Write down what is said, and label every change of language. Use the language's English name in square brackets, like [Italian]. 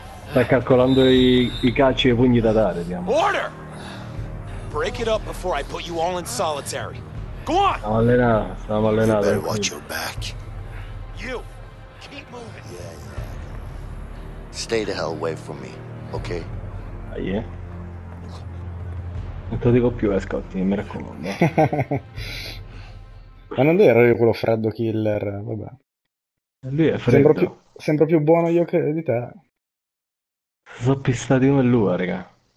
[Italian] Sta calcolando i calci e i pugni da dare, diciamo. [English] Order! Break it up before I put you all in solitary. Go on! [Italian] Stiamo allenando, stiamo allenando. [English] You better watch your back. You, keep moving. Yeah, yeah. Stay the hell away from me, okay? Ah, yeah. [Italian] Non te lo dico più, Scotty, mi raccomando. Ma non ero io quello freddo killer, vabbè. Lui è freddo. Sembro più buono io che di te. Sono pistati come lui, raga.